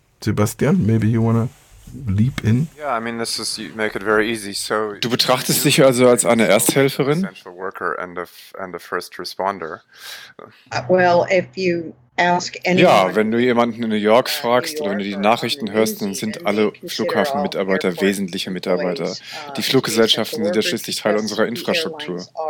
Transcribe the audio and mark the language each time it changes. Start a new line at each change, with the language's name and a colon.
English: Sebastian, maybe you want to leap in? Yeah, I mean, this is, you make it very easy. So
German: du betrachtest dich also als eine Ersthelferin?
English: Essential worker and a first responder. Well, if you ask anyone,
German: ja, wenn du jemanden in New York fragst oder wenn du die Nachrichten hörst, dann sind alle Flughafenmitarbeiter wesentliche Mitarbeiter. Die Fluggesellschaften sind ja schließlich Teil unserer Infrastruktur.